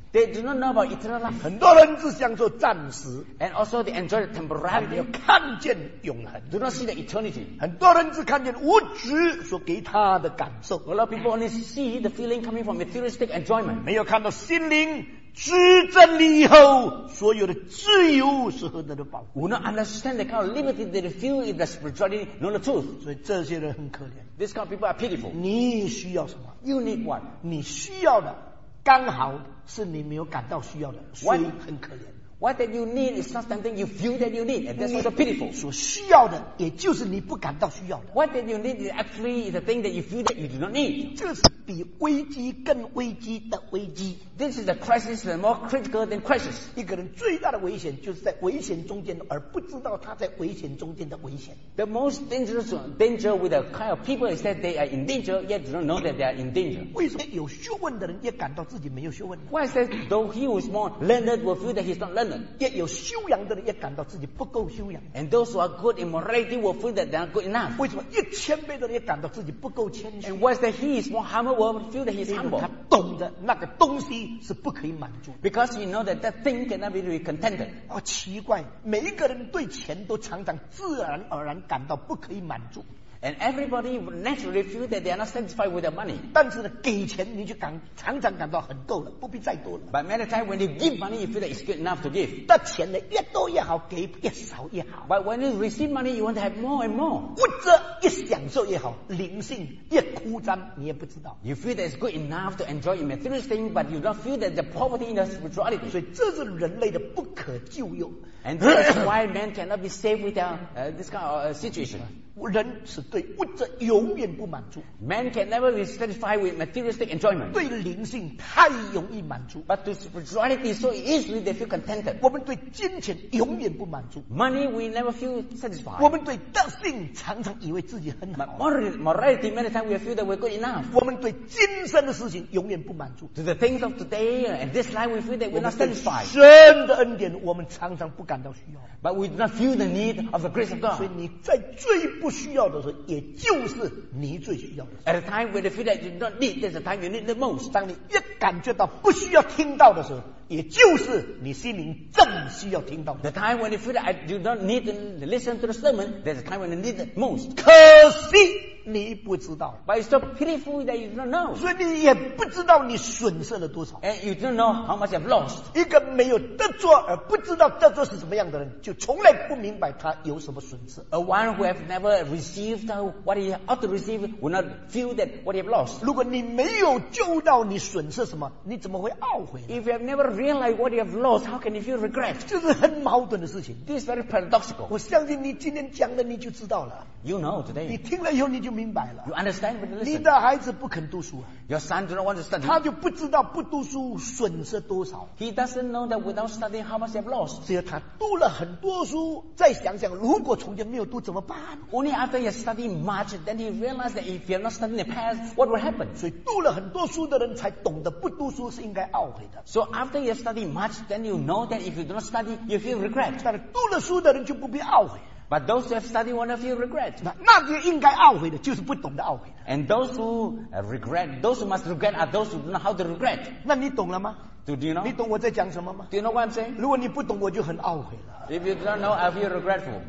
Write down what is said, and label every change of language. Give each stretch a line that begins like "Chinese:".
English: They do not know about eternal life.
Chinese: 很多人只想说暂时。
English: And also they enjoy the temporary.
Chinese: 没有看见永恒。
English: Do not see the eternity.
Chinese: 很多人只看见物质所给他的感受。
English: A lot of people only see the feeling coming from materialistic enjoyment.
Chinese: 没有看到心灵知真理以后所有的自由是何等的宝贵。
English: We not understand the kind of liberty that they feel in the spirituality, know the truth.
Chinese: 所以这些人很可怜。
English: These kind of people are pitiful.
Chinese: 你需要什么？
English: You need what?
Chinese: 你需要的刚好是你没有感到需要的，所以很可怜。
English: What that you need is not something you feel that you need, and that's also pitiful.
Chinese: 所需要的，也就是你不感到需要的。
English: What that you need is actually is a thing that you feel that you do not need.
Chinese: 这是比危机更危机的危机。
English: This is a crisis that is more critical than crisis.
Chinese: 一个人最大的危险就是在危险中间，而不知道他在危险中间的危险。
English: The most dangerous danger with a kind of people is that they are in danger, yet do not know that they are in danger.
Chinese: 为什么有学问的人也感到自己没有学问呢？
English: Why is that though he who is more learned will feel that he is not learned?
Chinese: 也有修养的人也感到自己不够修养。
English: And those who are good in morality will feel that they are good enough.
Chinese: 为什么越谦卑的人也感到自己不够谦虚？
English: And why is that he is more humble will feel that he is humble?
Chinese: 他懂得那个东西是不可以满足的。
English: Because he know that that thing cannot be contented.
Chinese: 哦，奇怪，每一个人对钱都常常自然而然感到不可以满足。
English: And everybody naturally feel that they are not satisfied with their money.
Chinese: 但是呢，给钱你就常常感到很够了，不必再多了。
English: But many times when you give money, you feel that it's good enough to give.
Chinese: 那钱呢，越多越好，给越少越好。
English: But when you receive money, you want to have more and more.
Chinese: 物质越享受越好，灵性越枯张，你也不知道。
English: You feel that it's good enough to enjoy your material thing, but you don't feel that the poverty in the spirituality.
Chinese: 所以这是人类的不可救药。
English: And that's why man cannot be saved without this kind of situation.
Chinese: 人是对物质永远不满足。
English: Man can never be satisfied with materialistic enjoyment.
Chinese: 对灵性太容易满足。
English: But to spirituality so easily they feel contented.
Chinese: 我们对金钱永远不满足。
English: Money we never feel satisfied.
Chinese: 我们对德性常常以为自己很好。
English: Morality many times we feel that we're good enough.
Chinese: 我们对今生的事情永远不满足。
English: To the things of today and this life we feel that we're not satisfied.
Chinese: 神的恩典我们常常不感到需要。
English: But we do not feel the need of the grace of God.
Chinese: 所以你在最不需要的时候，也就是你最需要的。
English: At a time when you feel that you don't need, that's the time you need the most.
Chinese: 当你越感觉到不需要听到的时候，也就是你心灵正需要听到的。
English: The time when you feel that you don't need to listen to the sermon, that's the time when you need the most.
Chinese: 可惜你不知道。
English: But it's so pitiful that you don't know.
Chinese: 所以你也不知道你损失了多少。
English: And you don't know how much you've lost.
Chinese: 一个没有得着而不知道得着是什么样的人，就从来不明白他有什么损失。
English: A one who have never received what he ought to receive will not feel that what he have lost.
Chinese: 如果你没有救到你损失什么，你怎么会懊悔呢？
English: If you have never realized what you have lost, how can you feel regret?
Chinese: 这是很矛盾的事情。
English: This is very paradoxical.
Chinese: 我相信你今天讲的你就知道了。
English: You know today.
Chinese: 你听了以后你就明白了。
English: You understand when you listen.
Chinese: 你的孩子不肯读书啊。
English: Your son do not want to study.
Chinese: 他就不知道不读书损失多少。
English: He doesn't know that without studying how much you have lost.
Chinese: 只要他读了很多书，再想想如果从前没有读怎么办？
English: Only after you study much, then he realized that if you're not studying the past, what will happen?
Chinese: 所以读了很多书的人才懂得不读书是应该懊悔的。
English: So after you study much, then you know that if you do not study, you feel regret.
Chinese: 但是读了书的人就不必懊悔。
English: But those who have studied won't feel regret.
Chinese: 那些应该懊悔的，就是不懂得懊悔的。
English: And those who regret, those who must regret are those who don't know how to regret.
Chinese: 那你懂了吗？
English: Do you know?
Chinese: 你懂我在讲什么吗？
English: Do you know what I'm saying?
Chinese: 如果你不懂，我就很懊悔了。
English: If you don't know, I feel regretful.